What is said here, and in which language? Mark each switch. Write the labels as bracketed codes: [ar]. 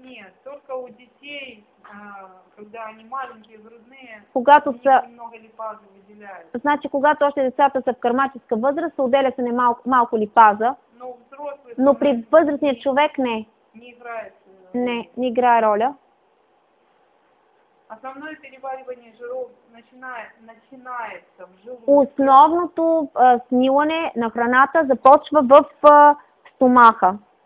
[ru] Нет, только у детей, когда они маленькие, грудные, [bg] когато [ru] у них са... немного липаза выделяют. [bg] Значи, когато още децата са в кърмаческа възраст, отделя се немалко липаза. Но при възрастния човек не. Не играе роля. [ru] Основное переваривание жиров начинается в желудке. [bg] Основното смилане на храната започва в стомаха.